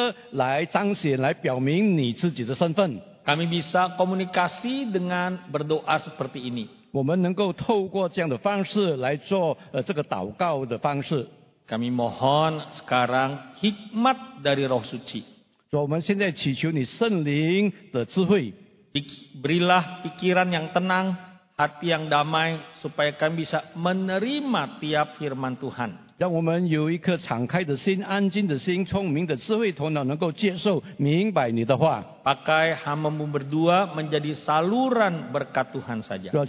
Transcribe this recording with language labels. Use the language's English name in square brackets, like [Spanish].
[Chinese] 主啊，你也透过这个赞美的诗歌来彰显、来表明你自己的身份。 [Indonesian] Kami bisa komunikasi dengan berdoa seperti ini. [Chinese] 我们能够透过这样的方式来做这个祷告的方式。 [Indonesian] Kami mohon sekarang hikmat dari Roh Suci. [Chinese] 主啊，我们现在祈求你圣灵的智慧。 [Indonesian] Berilah pikiran yang tenang, hati yang damai, supaya kami bisa menerima tiap firman Tuhan. [Chinese] 让我们有一颗敞开的心、安静的心、聪明的智慧头脑，能够接受、明白你的话。 [Indonesian] Pakai hambamu berdua menjadi saluran berkat Tuhan saja.